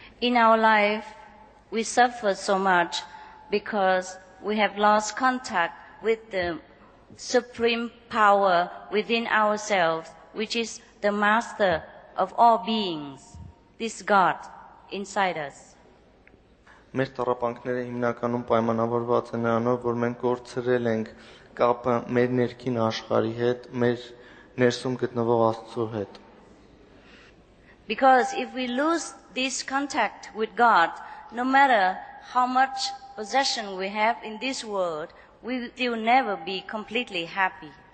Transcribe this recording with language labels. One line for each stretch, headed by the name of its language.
English: In our life we suffer so much because we have lost contact with the supreme power within ourselves, which is the master of all beings, this God inside us.
Armenian: Մեր տարապանքները հիմնականում պայմանավորված են նրանով, որ մենք կորցրել ենք կապը մեր ներքին աշխարհի հետ, մեր ներսում գտնվող Աստծո հետ.
English: Because if we lose this contact with God, no matter how much possession we have in this world, we will never be completely happy.